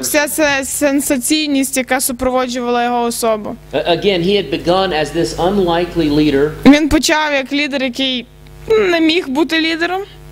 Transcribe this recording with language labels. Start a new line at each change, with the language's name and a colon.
Ukrainian: Вся сенсаційність, яка супроводжувала його особу.
English: Again, he had begun as this unlikely leader.
Ukrainian: Він почав як лідер, який не міг бути лідером.